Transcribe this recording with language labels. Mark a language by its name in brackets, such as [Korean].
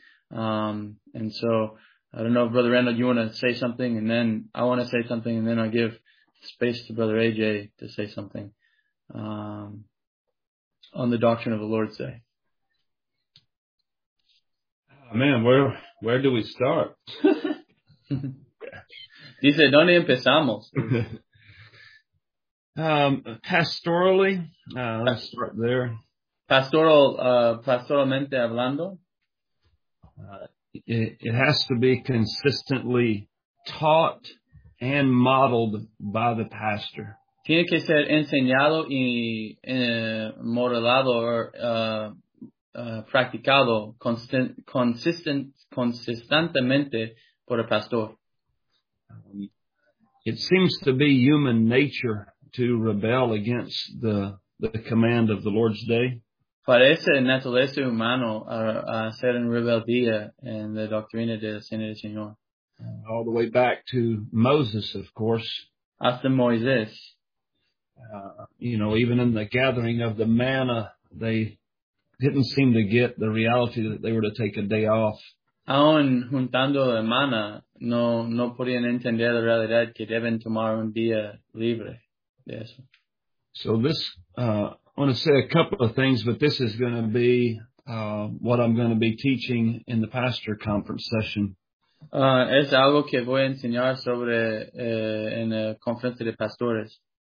[English] And so I don't know, Brother Randall, you want to say something, and then I want to say something, and then I'll give space to Brother AJ to say something on the doctrine of the Lord's Day. Man, where do we start? [Spanish] Dice, ¿dónde empezamos? [English] Pastorally, let's start there. [Spanish] Pastoralmente hablando. [English] It has to be consistently taught and modeled by the pastor. [Spanish] Tiene que ser enseñado y modelado o practicado consistentemente por el pastor. [English] It seems to be human nature to rebel against the command of the Lord's Day. [Spanish] Parece naturaleza humano a ser en rebeldía en la doctrina del Señor. [English] All the way back to Moses, of course. [Spanish] Hasta Moisés. [English] You know, even in the gathering of the manna, they didn't seem to get the reality that they were to take a day off. [Spanish] Aún juntando la manna, no podían entender la realidad que deben tomar un día libre de eso. [English] So this, I want to say a couple of things, but this is going to be what I'm going to be teaching in the pastor conference session. [Spanish] Es algo que voy a enseñar sobre en la conferencia de pastores.